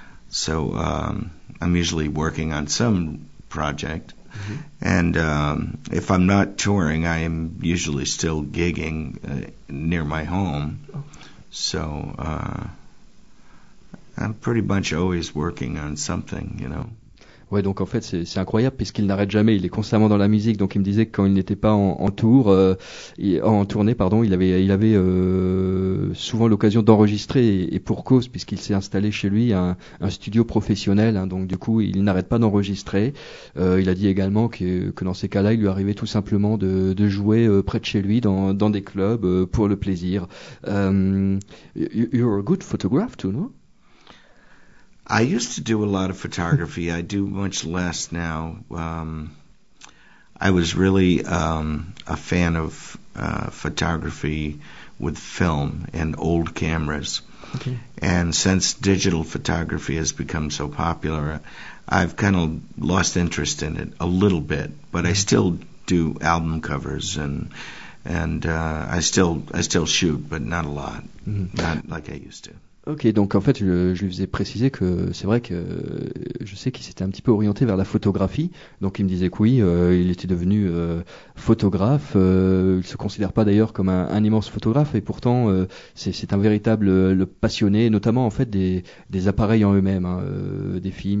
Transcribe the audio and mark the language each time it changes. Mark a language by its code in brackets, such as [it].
[en] So I'm usually working on some project. Mm-hmm. And if I'm not touring, I am usually still gigging near my home. So I'm pretty much always working on something, you know. [fr] Ouais, donc en fait c'est incroyable puisqu'il n'arrête jamais, il est constamment dans la musique. Donc il me disait que quand il n'était pas en tournée, il avait souvent l'occasion d'enregistrer et pour cause puisqu'il s'est installé chez lui un studio professionnel. Hein, donc du coup il n'arrête pas d'enregistrer. Il a dit également que dans ces cas-là il lui arrivait tout simplement de jouer près de chez lui dans des clubs pour le plaisir. [en] You're a good photographer too, no? I used to do a lot of photography. I do much less now. I was really a fan of photography with film and old cameras. Okay. And since digital photography has become so popular, I've kind of lost interest in it a little bit. But I still do album covers and I still shoot, but not a lot, not like I used to. [fr] Ok, donc en fait, je lui faisais préciser que c'est vrai que je sais qu'il s'était un petit peu orienté vers la photographie. Donc il me disait que oui, il était devenu photographe. Il se considère pas d'ailleurs comme un immense photographe. Et pourtant, c'est un véritable passionné, notamment en fait des appareils en eux-mêmes, hein, des films.